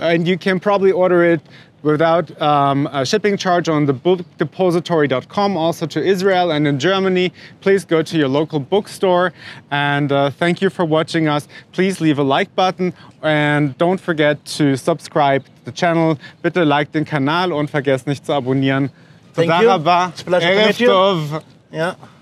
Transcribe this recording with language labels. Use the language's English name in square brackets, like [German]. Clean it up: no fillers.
[English] And you can probably order it without a shipping charge on the bookdepository.com, also to Israel and in Germany. Please go to your local bookstore. And thank you for watching us. Please leave a like button and don't forget to subscribe to the channel. [German] Bitte like den Kanal und vergesst nicht zu abonnieren. [English] Thank you. It's a pleasure to meet you.